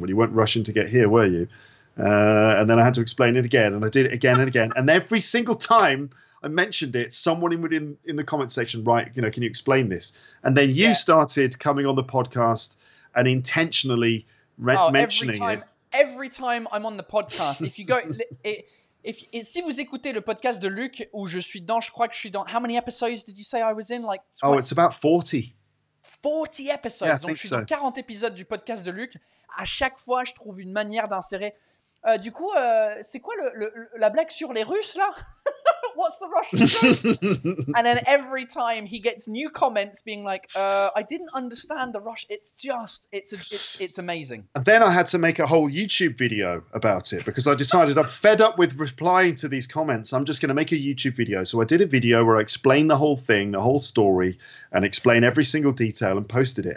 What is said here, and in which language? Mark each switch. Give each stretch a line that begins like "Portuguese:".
English: Well, you weren't Russian to get here, were you? And then I had to explain it again. And I did it again and again. And every single time I mentioned it, someone in the comment section, right, you know, can you explain this? And then you started coming on the podcast and intentionally mentioning every time, Every time I'm on the podcast, if you go...
French: Et si vous écoutez le podcast de Luc où je suis dedans, je crois que je suis dans.
English: How many episodes did you say I was in? Like, oh, it's about 40. 40 episodes.
French: Yeah, donc, je suis dans 40 épisodes du podcast de Luc. À chaque fois, je trouve une manière d'insérer. Du coup, c'est quoi la blague sur les Russes, là?
English: What's the Russian joke? And then every time he gets new comments being like, I didn't understand the Russian. It's amazing. And then I had to make a whole YouTube video about it because I decided I'm fed up with replying to these comments. I'm just going to make a YouTube video. So I did a video where I explained the whole thing, the whole story, and explain every single detail and posted it.